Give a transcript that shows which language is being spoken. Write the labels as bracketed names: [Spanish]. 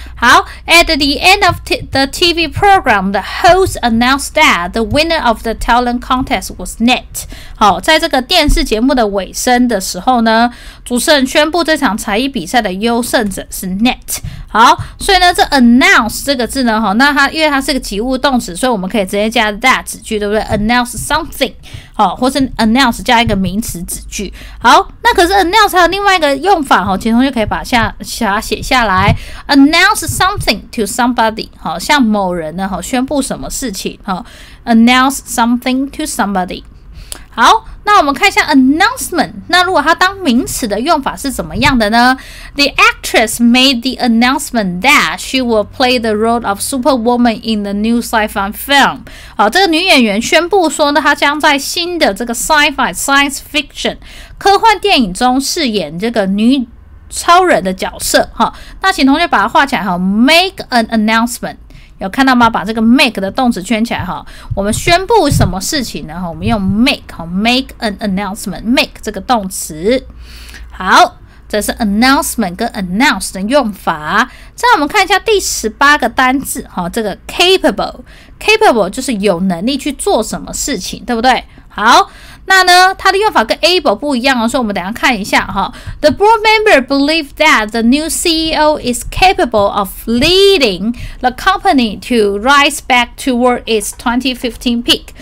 [English] 好， at the end of the TV program, the host announced that the winner of the talent contest was Net. [Chinese] 好，在这个电视节目的尾声的时候呢，主持人宣布这场才艺比赛的优胜者是 Net。好，所以呢，这 announce 这个字呢，哈，那它因为它是个及物动词，所以我们可以直接加 that 子句，对不对 ？ [English] announce something， [Chinese] 好，或是 announce 加一个名词子句。好，那可是 announce 还有另外一个用法，哈，其中就可以把它写下来 ， [English] announce something to somebody， [Chinese] 好，向某人呢，哈，宣布什么事情，哈 ，announce something to somebody。好，那我们看一下 announcement。那如果它当名词的用法是怎么样的呢？ [English] The actress made the announcement that she will play the role of Superwoman in the new sci-fi film。 [Chinese] 好，这个女演员宣布说呢，她将在新的这个 [English] sci-fi science fiction [Chinese] 科幻电影中饰演这个女超人的角色。好，那请同学把它画起来，好， [English] make an announcement， [Chinese] 有看到吗？把这个 make 的动词圈起来，哈，我们宣布什么事情呢？我们用 make an announcement， make 这个动词。好，这是 announcement 跟 announce 的用法。再我们看一下第18个单字，哈，这个 capable 就是有能力去做什么事情，对不对？好，那呢，它的用法跟 able 不一样，哦，所以我们等一下看一下，哈。 [English] The board member believe that the new CEO is capable of leading the company to rise back toward its 2015 peak。